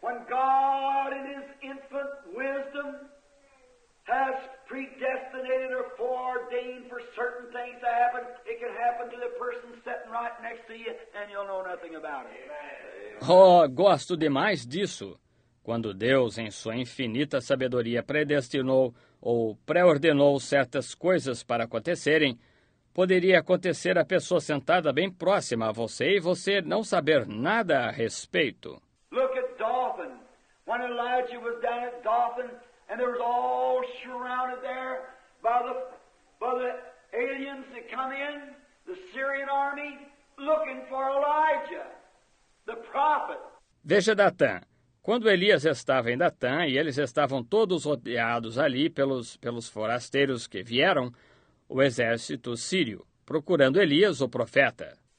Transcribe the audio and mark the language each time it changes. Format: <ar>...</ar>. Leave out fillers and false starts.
<en>God in his infinite wisdom has predestinated or foreordained for certain things to happen. It can happen to the person sitting right next to you and you'll know nothing about it. Amen.</en> <pt>Oh, gosto demais disso. quando Deus, em sua infinita sabedoria, predestinou ou pré-ordenou certas coisas para acontecerem, poderia acontecer a pessoa sentada bem próxima a você e você não saber nada a respeito.</pt> <en>Look at Dothan. When Elijah was down at Dothan, and there was all surrounded there by the aliens that come in, the Syrian army, looking for Elijah, the prophet.</en> <pt>Veja Datan. Quando Elias estava em Datã e eles estavam todos rodeados ali pelos forasteiros que vieram, o exército sírio, procurando Elias, o profeta.</pt>